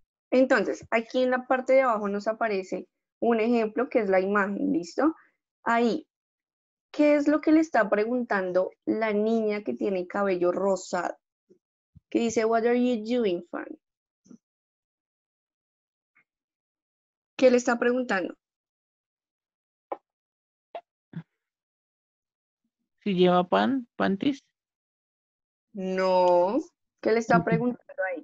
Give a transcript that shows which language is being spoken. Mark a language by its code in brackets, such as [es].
[es] Entonces, aquí en la parte de abajo nos aparece un ejemplo que es la imagen, ¿listo? Ahí, ¿Qué es lo que le está preguntando la niña que tiene cabello rosado? Que dice, [en] "What are you doing, fan?" [es] ¿Qué le está preguntando? Si lleva pan, panties. No. ¿Qué le está preguntando ahí?